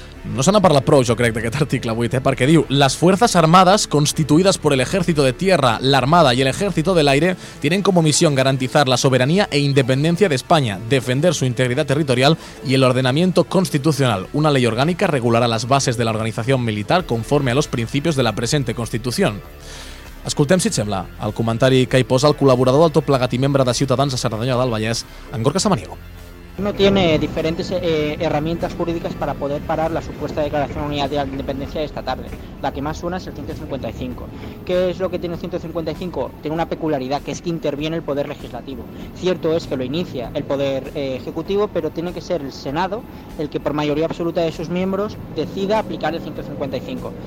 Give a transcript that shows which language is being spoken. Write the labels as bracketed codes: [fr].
[ca] No se n'ha parlat prou, jo crec, d'aquest article 8, perquè diu: [es] las fuerzas armadas, constituidas por el ejército de tierra, la armada y el ejército del aire, tienen como misión garantizar la soberanía e independencia de España, defender su integridad territorial y el ordenamiento constitucional. Una ley orgánica regulará las bases de la organización militar conforme a los principios de la presente Constitución. [ca] Escoltem, si et sembla, el comentari que hi posa el col·laborador del Tot Plegat i membre de Ciutadans a Cerdanyola del Vallès, en Gorka Samaniego. [es] No tiene diferentes herramientas jurídicas para poder parar la supuesta declaración unilateral de independencia de esta tarde. La que más suena es el 155. ¿Qué es lo que tiene el 155? Tiene una peculiaridad, que es que interviene el poder legislativo. Cierto es que lo inicia el poder ejecutivo, pero tiene que ser el Senado el que, por mayoría absoluta de sus miembros, decida aplicar el 155.